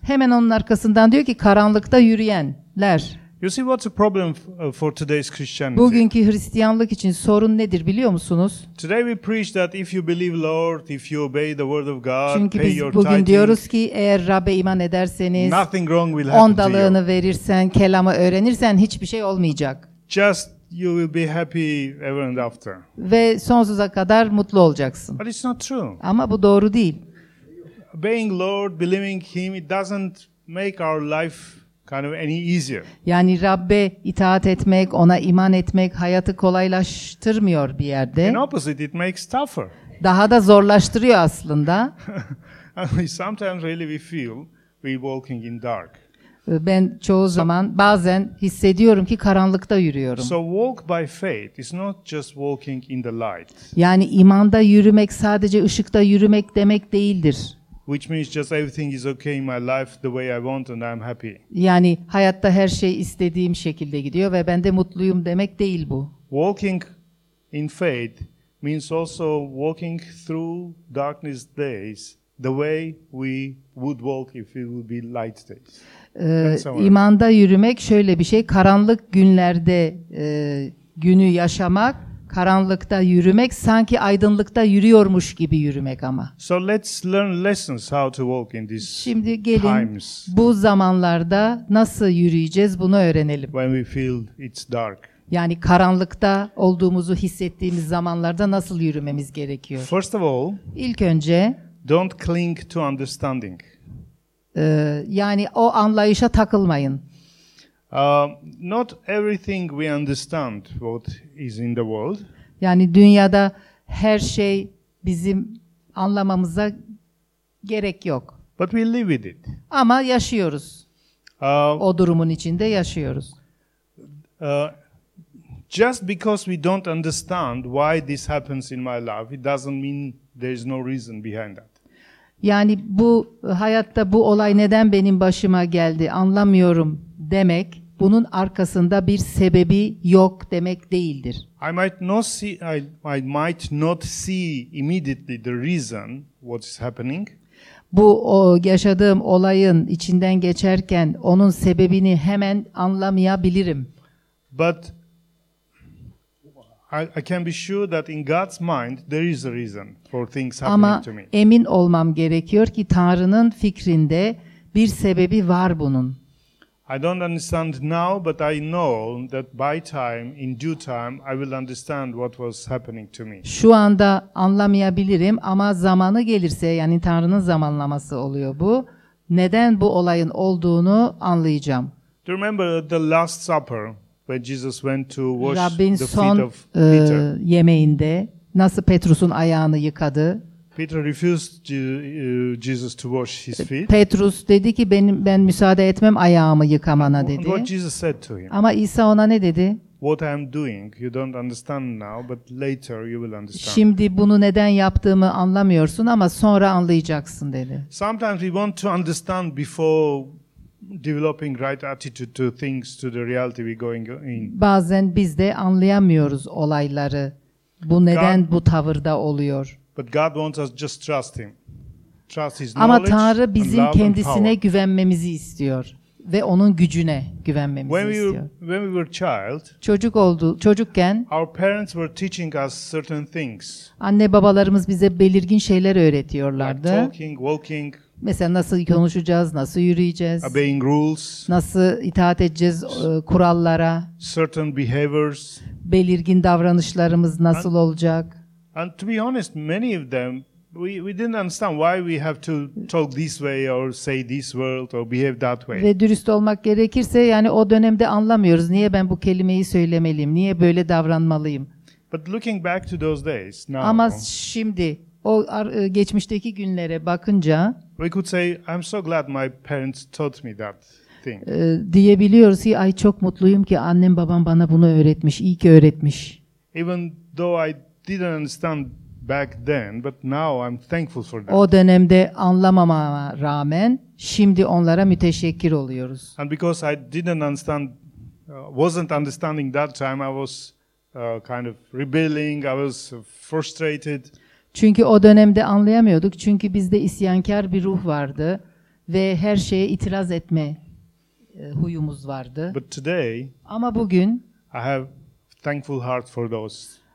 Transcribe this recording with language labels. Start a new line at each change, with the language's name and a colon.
Turkish: Hemen onun arkasından diyor ki karanlıkta yürüyenler.
English: You see what's a problem for today's Christianity?
Turkish: Bugünkü Hristiyanlık için sorun nedir biliyor musunuz?
English: Today we preach that if you believe Lord, if you obey the word of God,
Turkish: çünkü
English: pay your tithing.
Turkish: Çünkü bugün diyoruz ki eğer Rab'be iman ederseniz,
English: nothing wrong will happen.
Turkish: Ondalığını verirsen, kelamı öğrenirsen hiçbir şey olmayacak.
English: Just you will be happy ever and after.
Turkish: Ve sonsuza kadar mutlu olacaksın.
English: But it's not true.
Turkish: Ama bu doğru değil.
English: Obeying Lord, believing him, it doesn't make our life kind of any easier.
Turkish: Yani Rab'be itaat etmek, ona iman etmek hayatı kolaylaştırmıyor bir yerde.
English: In opposite, it makes tougher.
Turkish: Daha da zorlaştırıyor aslında.
English: Sometimes really we feel we're walking in dark.
Turkish: Ben çoğu zaman bazen hissediyorum ki karanlıkta yürüyorum.
English: So walk by faith is not just walking in the light.
Turkish: Yani imanda yürümek sadece ışıkta yürümek demek değildir.
English: Which means just everything is okay in my life the way I want and I'm happy.
Turkish: Yani hayatta her şey istediğim şekilde gidiyor ve ben de mutluyum demek değil bu.
English: Walking in faith means also walking through darkness days the way we would walk if it would be light days.
Turkish: İmanda yürümek şöyle bir şey, karanlık günlerde günü yaşamak. Karanlıkta yürümek sanki aydınlıkta yürüyormuş gibi yürümek ama.
English: So let's learn lessons how to walk in these times.
Turkish: Şimdi gelin
English: times,
Turkish: bu zamanlarda nasıl yürüyeceğiz bunu öğrenelim.
English: When we feel it's dark.
Turkish: Yani karanlıkta olduğumuzu hissettiğimiz zamanlarda nasıl yürümemiz gerekiyor?
English: First of all,
Turkish: ilk önce
English: don't cling to understanding.
Turkish: Yani o anlayışa takılmayın.
English: Not everything we understand what is in the world.
Turkish: Yani dünyada her şey bizim anlamamıza gerek yok.
English: But we live with it.
Turkish: Ama yaşıyoruz. O durumun içinde yaşıyoruz.
English: Just because we don't understand why this happens in my life, it doesn't mean there is no reason behind that.
Turkish: Yani bu hayatta bu olay neden benim başıma geldi anlamıyorum demek, bunun arkasında bir sebebi yok demek değildir.
English: I might not see immediately the reason what is happening.
Turkish: Bu yaşadığım olayın içinden geçerken onun sebebini hemen anlamayabilirim.
English: But I can be sure that in God's mind there is a reason for things happening to me.
Turkish: Ama emin olmam gerekiyor ki Tanrı'nın fikrinde bir sebebi var bunun.
English: I don't understand now, but I know that by time, in due time, I will understand what was happening to me.
Turkish: Şu anda anlamayabilirim ama zamanı gelirse, yani Tanrı'nın zamanlaması oluyor bu, neden bu olayın olduğunu anlayacağım.
English: Do you remember the Last Supper, when Jesus went to wash
Turkish: Rabbin
English: the
Turkish: son,
English: feet of Peter?
Turkish: Yemeğinde nasıl Petrus'un ayağını yıkadı?
English: Peter refused Jesus to wash his feet.
Turkish: Petrus dedi ki ben müsaade etmem ayağımı yıkamana dedi.
English: What Jesus said to him.
Turkish: Ama İsa ona ne dedi?
English: What I am doing, you don't understand now, but later you will understand.
Turkish: Şimdi bunu neden yaptığımı anlamıyorsun ama sonra anlayacaksın dedi.
English: Sometimes we want to understand before developing right attitude to things, to the reality we're going in.
Turkish: Bazen biz de anlayamıyoruz olayları. Bu neden bu tavırda oluyor?
English: But God wants us just trust him. Trust his knowledge.
Turkish: Ama Tanrı bizim kendisine güvenmemizi istiyor. ve onun gücüne güvenmemizi istiyor.
English: When we were child,
Turkish: çocukken
English: our parents were teaching us certain things.
Turkish: Anne babalarımız bize belirgin şeyler öğretiyorlardı.
English: Like talking, walking,
Turkish: mesela nasıl konuşacağız, nasıl yürüyeceğiz?
English: Obeying rules,
Turkish: nasıl itaat edeceğiz kurallara?
English: Certain behaviors,
Turkish: belirgin davranışlarımız nasıl olacak?
English: And to be honest, many of them we didn't understand why we have to talk this way or say this word or behave that way.
Turkish: Ve dürüst olmak gerekirse yani o dönemde anlamıyoruz. Niye ben bu kelimeyi söylemeliyim? Niye böyle davranmalıyım?
English: But looking back to those days now.
Turkish: Ama şimdi o geçmişteki günlere bakınca
English: we could say I'm so glad my parents taught me that thing.
Turkish: Diyebiliyoruz ki ay çok mutluyum ki annem babam bana bunu öğretmiş. İyi ki öğretmiş.
English: Even though I didn't understand back then, but now I'm thankful for that.
Turkish: O dönemde anlamamama rağmen şimdi onlara müteşekkir oluyoruz.
English: And because I didn't understand, wasn't understanding that time, I was kind of rebelling, I was frustrated.
Turkish: Çünkü o dönemde anlayamıyorduk. Çünkü bizde isyankar bir ruh vardı ve her şeye itiraz etme huyumuz vardı.
English: But today,
Turkish: ama bugün
English: I have thankful heart for those.